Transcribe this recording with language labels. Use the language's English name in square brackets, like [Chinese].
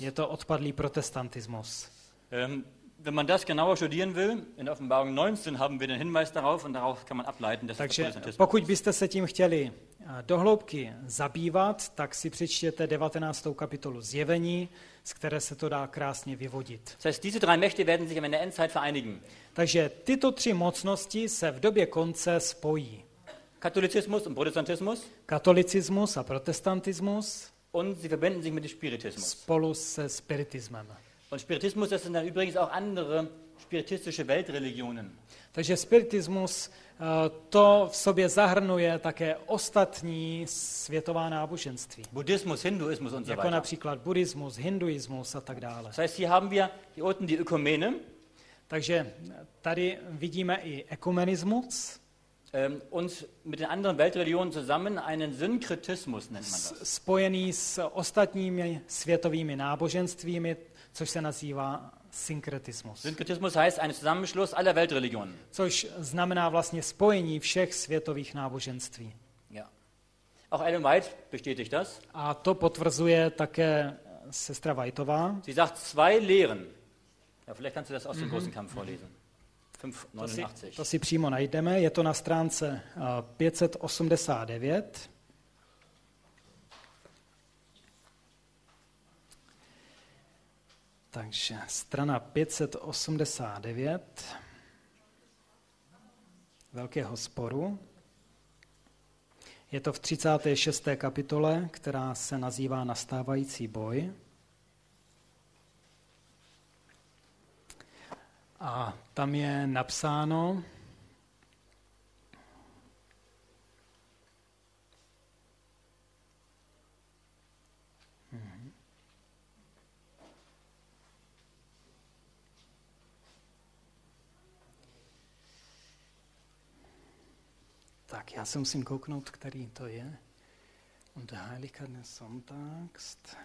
[Czech] Je to odpadlý protestantismus. [German] Wenn man das genauer studieren will, in Offenbarung 19 haben wir den Hinweis darauf und darauf kann man ableiten, dass [Czech] Takže [German] es Protestantismus. [Czech] Pokud byste se tím chtěli do hloubky zabývat, tak si přečtěte 19. kapitolu Zjevení, z které se to dá krásně vyvodit. [German] Das heißt, diese drei Mächte werden sich in der Endzeit vereinigen. [Czech] Takže tyto tři mocnosti se v době konce spojí. [German] Katolicismus und Protestantismus. [Czech] Katolicismus a protestantismus. [German] Und sie verbinden sich mit dem Spiritismus. [Czech] Spolu se spiritismem. [German] Und Spiritismus, das sind dann übrigens auch andere spiritistische Weltreligionen. [Czech] Takže Spiritismus to v sobě zahrnuje také ostatní světová náboženství. [German] Buddhismus, Hinduismus und so weiter. [Czech] Jako například buddhismus, hinduismus a tak dále. [German] Das heißt, hier haben wir hier unten die Ökumene. [Czech] Takže tady vidíme i ekumenismus. [German] Und mit den anderen Weltreligionen zusammen einen Synkretismus nennt man das. [Czech] Spojený s ostatními světovými náboženstvími, což se nazývá synkretismus. [German] Synkretismus heißt ein Zusammenschluss aller Weltreligionen. [Czech] Což znamená vlastně spojení všech světových náboženství. [German] Ja. Auch Ellen White bestätigt das. [Czech] A to potvrzuje také sestra Whiteová. [German] Sie sagt zwei Lehren. Ja, vielleicht kannst du das aus dem großen Kampf vorlesen. 589. [Czech] To si přímo najdeme, je to na stránce 589. Takže strana 589 Velkého sporu. Je to v 36. kapitole, která se nazývá Nastávající boj. A tam je napsáno, tak já se musím kouknout, který to je. [German] Und der Heiliger des Sonntags.